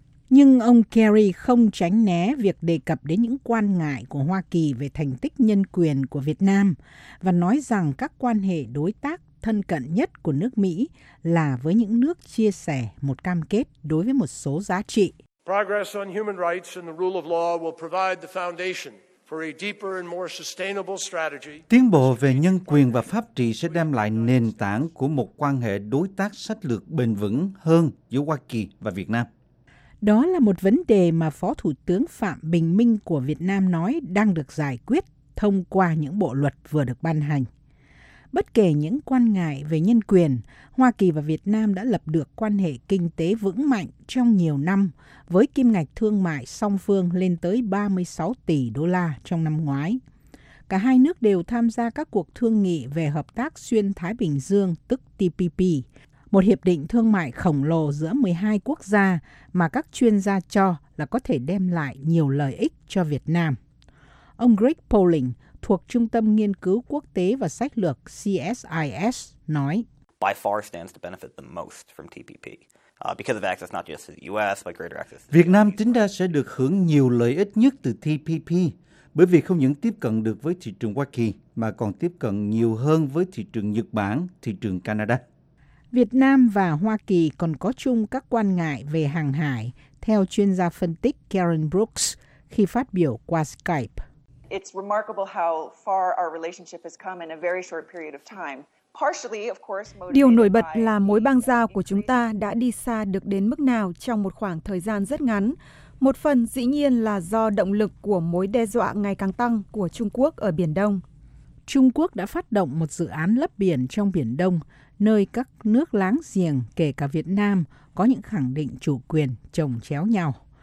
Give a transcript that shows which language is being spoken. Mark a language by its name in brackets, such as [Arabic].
[Vietnamese] Nhưng ông Kerry không tránh né việc đề cập đến những quan ngại của Hoa Kỳ về thành tích nhân quyền của Việt Nam và nói rằng các quan hệ đối tác thân cận nhất của nước Mỹ là với những nước chia sẻ một cam kết đối với một số giá trị. [English] Progress on human rights and the rule of law will provide the foundation for a deeper and more sustainable strategy. [Vietnamese] Tiến bộ về nhân quyền và pháp trị sẽ đem lại nền tảng của một quan hệ đối tác sách lược bền vững hơn giữa Hoa Kỳ và Việt Nam. Đó là một vấn đề mà Phó Thủ tướng Phạm Bình Minh của Việt Nam nói đang được giải quyết thông qua những bộ luật vừa được ban hành. Bất kể những quan ngại về nhân quyền, Hoa Kỳ và Việt Nam đã lập được quan hệ kinh tế vững mạnh trong nhiều năm với kim ngạch thương mại song phương lên tới 36 tỷ đô la trong năm ngoái. Cả hai nước đều tham gia các cuộc thương nghị về hợp tác xuyên Thái Bình Dương, tức TPP, một hiệp định thương mại khổng lồ giữa 12 quốc gia mà các chuyên gia cho là có thể đem lại nhiều lợi ích cho Việt Nam. Ông Greg Poling thuộc Trung tâm Nghiên cứu Quốc tế và Sách lược CSIS nói: [English] By far stands to benefit the most from TPP. Because of access not just to the US, but greater access to the [Vietnamese] Việt Nam tính ra sẽ được hưởng nhiều lợi ích nhất từ TPP bởi vì không những tiếp cận được với thị trường Hoa Kỳ mà còn tiếp cận nhiều hơn với thị trường Nhật Bản, thị trường Canada. Việt Nam và Hoa Kỳ còn có chung các quan ngại về hàng hải, theo chuyên gia phân tích Karen Brooks khi phát biểu qua Skype. [English] It's remarkable how far our relationship has come in a very short period of time. Partially, of course, [Vietnamese] điều nổi bật là mối bang giao của chúng ta đã đi xa được đến mức nào trong một khoảng thời gian rất ngắn. Một phần dĩ nhiên là do động lực của mối đe dọa ngày càng tăng của Trung Quốc ở Biển Đông. Trung Quốc đã phát động một dự án lấp biển trong Biển Đông, nơi các nước láng giềng, kể cả Việt Nam, có những khẳng định chủ quyền chồng chéo nhau.